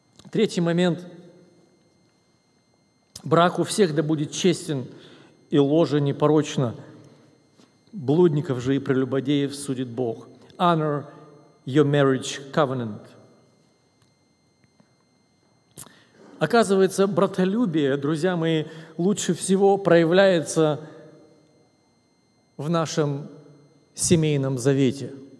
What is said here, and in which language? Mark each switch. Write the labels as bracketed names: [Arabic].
[Russian] Третий момент. Брак у всех да будет честен, и ложе непорочно. Блудников же и прелюбодеев судит Бог. [English] Honor your marriage covenant. [Russian] Оказывается, братолюбие, друзья мои, лучше всего проявляется в нашем семейном завете.